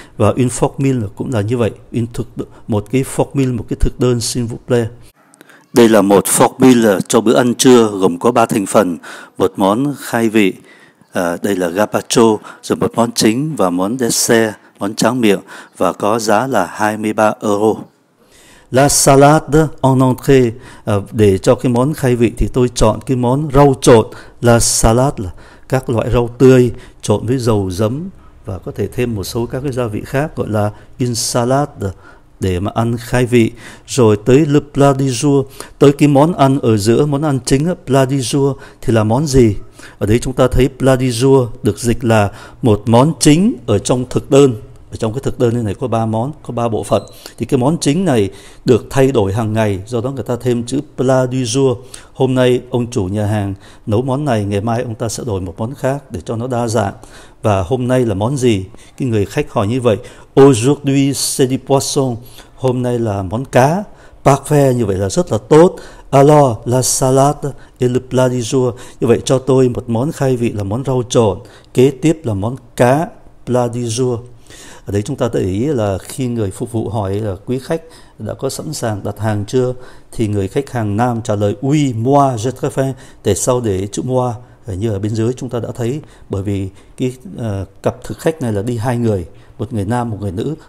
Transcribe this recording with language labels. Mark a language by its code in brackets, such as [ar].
[vi] Và une formule cũng là như vậy. Một cái formule, một cái thực đơn, [fr] s'il vous plaît. [vi] Đây là một formule cho bữa ăn trưa gồm có 3 thành phần. Một món khai vị, đây là gazpacho, rồi một món chính và món dessert, món tráng miệng, và có giá là 23 euro. La salade en entrée, để cho cái món khai vị thì tôi chọn cái món rau trộn. La salade là các loại rau tươi trộn với dầu giấm và có thể thêm một số các cái gia vị khác, gọi là une salade, để mà ăn khai vị. Rồi tới le plat du jour, tới cái món ăn ở giữa, món ăn chính, plat du jour thì là món gì? Ở đây chúng ta thấy plat du jour được dịch là một món chính ở trong thực đơn. Ở trong cái thực đơn này có 3 món, có 3 bộ phận. Thì cái món chính này được thay đổi hàng ngày, do đó người ta thêm chữ plat du jour. Hôm nay ông chủ nhà hàng nấu món này, ngày mai ông ta sẽ đổi một món khác để cho nó đa dạng. Và hôm nay là món gì? Cái người khách hỏi như vậy. [fr] Aujourd'hui c'est du poisson. [vi] Hôm nay là món cá. Parfait, như vậy là rất là tốt. [fr] Alors la salade et le plat du jour. [vi] Như vậy cho tôi một món khai vị là món rau trộn, kế tiếp là món cá, plat du jour. Ở đây chúng ta để ý là khi người phục vụ hỏi là quý khách đã có sẵn sàng đặt hàng chưa, thì người khách hàng nam trả lời [fr] oui, moi, j'ai très faim. [vi] Tại sao để chữ moi? Như ở bên dưới chúng ta đã thấy, bởi vì cái cặp thực khách này là đi hai người, một người nam, một người nữ.